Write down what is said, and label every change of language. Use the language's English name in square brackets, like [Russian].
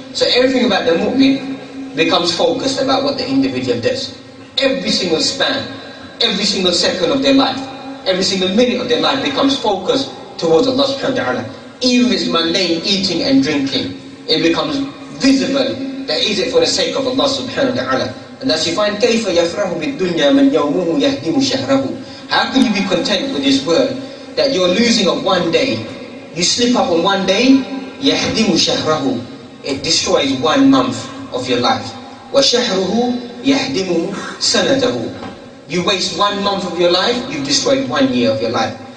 [English] So everything about the mu'min becomes focused about what the individual does. Every single span, every single second of their life, every single minute of their life becomes focused towards Allah subhanahu wa ta'ala. Even if it's mundane eating and drinking, it becomes visible that is it for the sake of Allah subhanahu wa ta'ala. And thus you find, [Arabic] كَيْفَ يَفْرَهُ بِالدُّنْيَا مَنْ يَوْمُهُ يَهْدِمُ شَهْرَهُ. [English] How can you be content with this world that you're losing of one day? You slip up on one day, [Arabic] يَهْدِمُ شَهْرَهُ. [English] It destroys one month of your life. [Arabic] وَشَهْرُهُ يَهْدِمُ سَنَتَهُ. [English] You waste one month of your life, you've destroyed one year of your life.